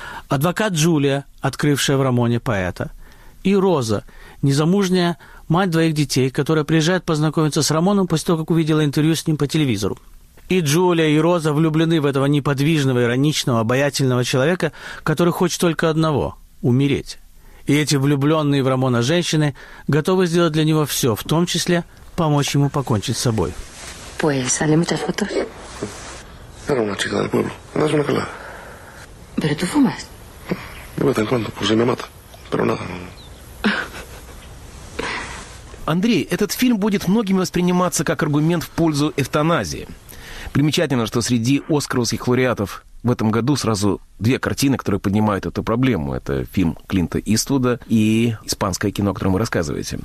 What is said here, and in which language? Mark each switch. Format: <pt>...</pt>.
<ru>Адвокат Джулия, открывшая в Рамоне поэта. И Роза, незамужняя мать двоих детей, которая приезжает познакомиться с Рамоном после того, как увидела интервью с ним по телевизору. И Джулия, и Роза влюблены в этого неподвижного, ироничного, обаятельного человека, который хочет только одного – умереть. И эти влюбленные в Рамона женщины готовы сделать для него все, в том числе помочь ему покончить с собой.</ru> <es>Pues, ¿hay muchas fotos? Era una chica del pueblo. No es una clara. ¿Pero tú fumas? De vez en cuando, por si me mata. Pero nada, no.</es> <ru>Андрей, этот фильм будет многими восприниматься как аргумент в пользу эвтаназии. Примечательно, что среди оскаровских лауреатов в этом году сразу две картины, которые поднимают эту проблему. Это фильм Клинта Иствуда и испанское кино, о котором вы рассказываете.</ru>